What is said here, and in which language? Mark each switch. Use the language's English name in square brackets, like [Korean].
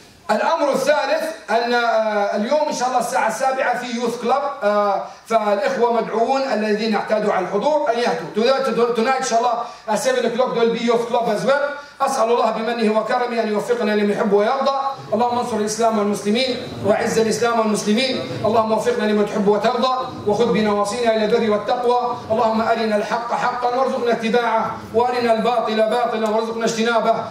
[Arabic] الأمر الثالث أن اليوم إن شاء الله الساعة 7 في يوث كلب فالإخوة مدعوون الذين اعتادوا على الحضور أن يأتوا. [English] Tonight إن شاء الله 7 o'clock there will be youth club as well. [Arabic] أسأل الله بمنه وكرمه أن يوفقنا لما يحب ويرضى. اللهم انصر الإسلام والمسلمين وعز الإسلام والمسلمين. اللهم وفقنا لما تحب وترضى وخذ بنواصينا إلى البر والتقوى. اللهم أرنا الحق حقا وارزقنا اتباعه وأرنا الباطل باطلا وارزقنا اجتنابه.